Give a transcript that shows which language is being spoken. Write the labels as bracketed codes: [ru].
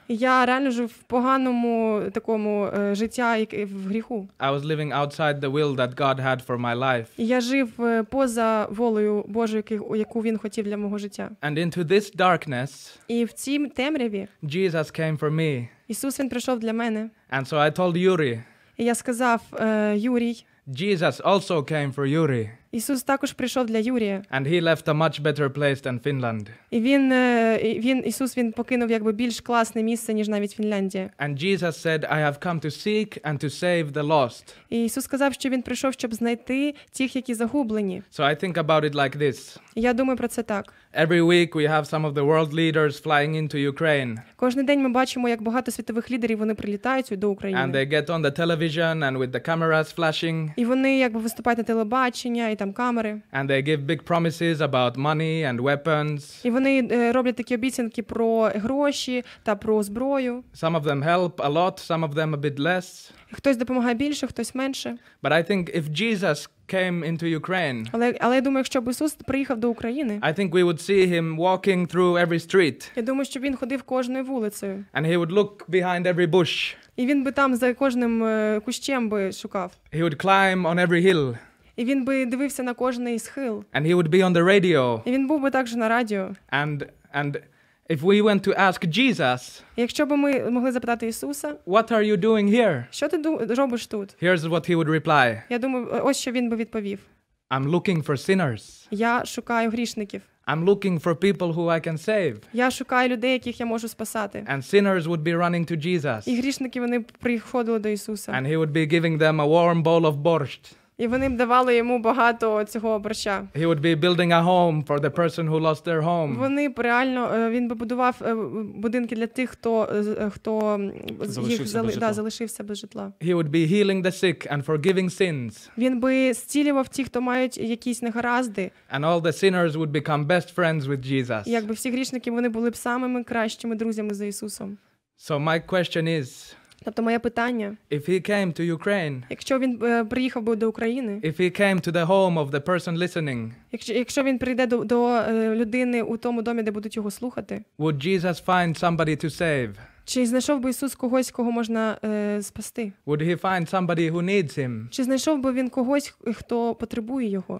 [uk] Я реально жив в поганому такому життя, як в гріху. [en] I was living outside the will that God had for my life. [uk] Я жив поза волею Божою, яку він хотів для мого життя. [en] And into this darkness. [uk] І в цій темряві. [en] Jesus came for me. [uk] Ісус він прийшов для мене. [en] And so I told Yuri. [uk] І я сказав Юрій. [en] Jesus also came for Yuri. [uk] Ісус також прийшов для Юрія. [en] And he left a much better place than Finland. [uk] І він Ісус він покинув якби більш класне місце, ніж навіть Фінляндія. [en] And Jesus said, I have come to seek and to save the lost. [uk] І Ісус сказав, що він прийшов, щоб знайти тих, які загублені. [en] So I think about it like this. [uk] Я думаю про це так. [en] Every week we have some of the world leaders flying into Ukraine. [uk] Кожний день ми бачимо, як багато світових лідерів вони прилітають до України. [en] And they get on the television and with the cameras flashing. [uk] І вони якби виступають на телебаченні. Там камери. [en] And they give big promises about money and weapons. [uk] І вони роблять такі обіцянки про гроші та про зброю. [en] Some of them help a lot, some of them a bit less. [uk] Хтось допомагає більше, хтось менше. [en] But I think if Jesus came into Ukraine. [uk] Але я думаю, якщо б Ісус приїхав до України. [en] I think we would see him walking through every street. [uk] Я думаю, що він ходив кожною вулицею. [en] And he would look behind every bush. [uk] І він би там за кожним кущем би шукав. [en] He would climb on every hill. [uk] І він би дивився на кожний схил. [en] And he would be on the radio. [uk] І він був би також на радіо. [en] And if we went to ask Jesus. [uk] Якщо б ми могли запитати Ісуса. [en] What are you doing here? [uk] Що ти робиш тут? [en] Here's what he would reply. [uk] Я думаю, ось що він би відповів. [en] I'm looking for sinners. [uk] Я шукаю грішників. [en] I'm looking for people who I can save. [uk] Я шукаю людей, яких я можу спасати. [en] And sinners would be running to Jesus. [uk] І грішники вони приходили до Ісуса. [en] And he would be giving them a warm bowl of borscht. [uk] І вони б давали йому багато цього борща. [en] He would be building a home for the person who lost their home. [uk] Вони б реально, він би будував будинки для тих, хто залишився без житла. [en] He would be healing the sick and forgiving sins. [uk] Він би зцілював тих, хто мають якісь негаразди. [en] And all the sinners would become best friends with Jesus. [uk] Якби всі грішники, вони були б самими кращими друзями за Ісусом. [en] So my question is. [uk] Тобто моє питання. [en] If he came to Ukraine. [uk] Якщо він приїхав би до України. [en] If he came to the home of the person listening. [uk] Якщо він прийде до людини у тому домі, де будуть його слухати. [en] Would Jesus find somebody to save? [uk] Чи знайшов би Ісус когось, кого можна спасти? [en] Would he find somebody who needs him? [uk] Чи знайшов би він когось, хто потребує його?